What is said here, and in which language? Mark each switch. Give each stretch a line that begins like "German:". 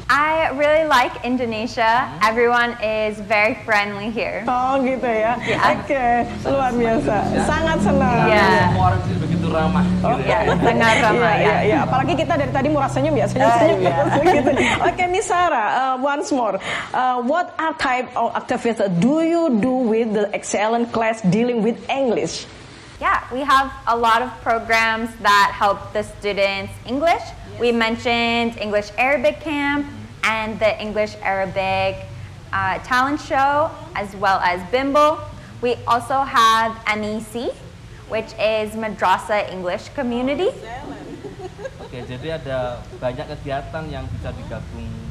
English: I really like Indonesia. Everyone is very friendly here.
Indonesian: Oh gitu ya. Oke, okay. Luar biasa. Sangat senang. Semua orang itu begitu ramah. Sangat ramah ya. Iya, apalagi kita dari tadi murah senyum ya. Senyum-senyum. Oke, Miss Sarah.
English: Once more, what are type of activities do you do with the excellent class dealing with English? Yeah, we have a lot of programs that help the students English. Yes. We mentioned English Arabic camp and the English Arabic talent show, as well as Bimble. We also have MEC, which is Madrasa English Community.
Indonesian: Oh, okay, jadi ada banyak kegiatan yang bisa digabung.